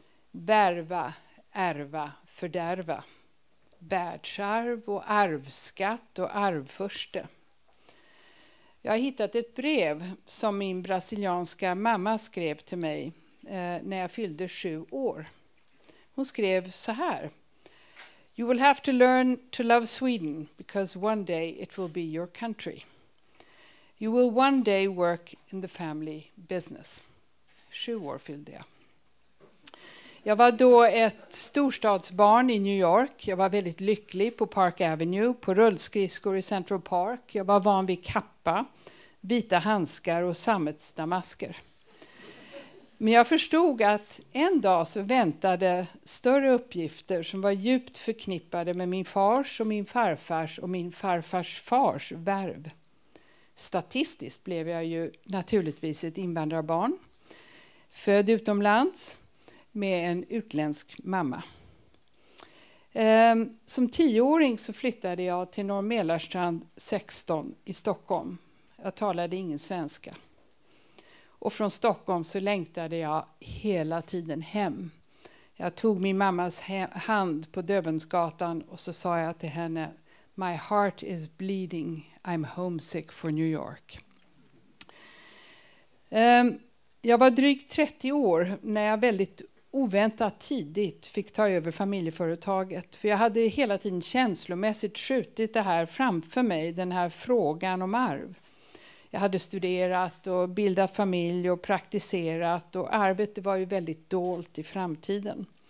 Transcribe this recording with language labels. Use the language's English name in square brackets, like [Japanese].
[Swedish] Värva, ärva, fördärva. Världsarv och arvsskatt och arvförste. Jag har hittat ett brev som min brasilianska mamma skrev till mig när jag fyllde 7 år. Hon skrev så här. [English] You will have to learn to love Sweden because one day it will be your country. You will one day work in the family business. [Swedish] 7 år fyllde jag. Jag var då ett storstadsbarn i New York. Jag var väldigt lycklig på Park Avenue, på rullskridskor i Central Park. Jag var van vid kappa, vita handskar och sammetsdamasker. Men jag förstod att en dag så väntade större uppgifter som var djupt förknippade med min fars och min farfars och min farfars fars värv. Statistiskt blev jag ju naturligtvis ett invandrarbarn, född utomlands med en utländsk mamma. Som 10-åring så flyttade jag till Norr Mälarstrand 16 i Stockholm. Jag talade ingen svenska. Och från Stockholm så längtade jag hela tiden hem. Jag tog min mammas hand på Döbensgatan och så sa jag till henne, [English] "My heart is bleeding. I'm homesick for New York." [Swedish] Jag var drygt 30 år när jag väldigt oväntat tidigt fick ta över familjeföretaget. För jag hade hela tiden känslomässigt skjutit det här framför mig, den här frågan om arv. Jag hade studerat och bildat familj och praktiserat, och arvet var ju väldigt dolt i framtiden.